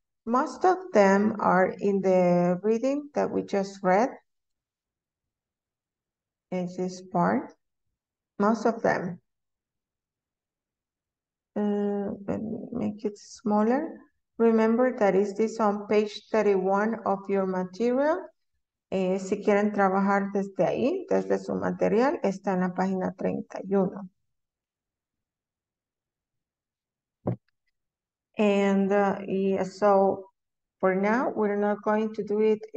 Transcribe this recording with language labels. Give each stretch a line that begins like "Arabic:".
English: Most of them are in the reading that we just read. In this part, most of them. Let me make it smaller. Remember that is this on page 31 of your material.
Spanish: Si quieren trabajar desde ahí, desde su material, está en la página 31.
English: And yeah, so for now, we're not going to do it.